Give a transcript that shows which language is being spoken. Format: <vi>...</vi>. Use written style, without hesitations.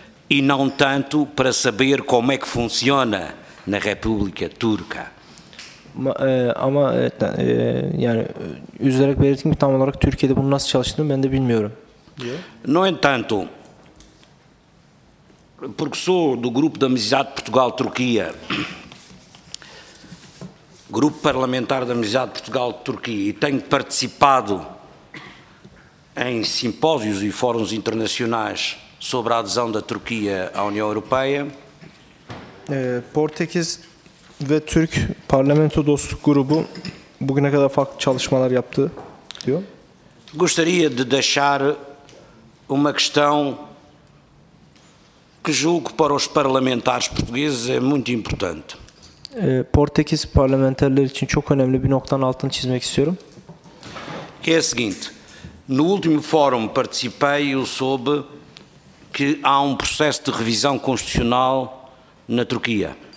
<pt>E não tanto para saber como é que funciona na República Turca.</pt> <tr>Ama yani üzülerek belirttim ki tam olarak Türkiye'de bunu nasıl çalıştığını ben de bilmiyorum.</tr> <pt>No entanto, porque sou do Grupo de Amizade Portugal-Turquia, Grupo Parlamentar de Amizade Portugal-Turquia, e tenho participado em simpósios e fóruns internacionais sobre a adesão da Turquia à União Europeia.</pt> <tr>Portekiz ve Türk Parlamento Dostluk Grubu bugüne kadar farklı çalışmalar yaptı, diyor.</tr> <pt>Gostaria de deixar uma questão que julgo para os parlamentares portugueses é muito importante.</pt> <tr>Portekiz parlamenterler için çok önemli bir noktanın altını çizmek istiyorum.</tr> <pt>Que é o seguinte, no último fórum participei e soube que há processo de revisão constitucional na Turquia.</pt>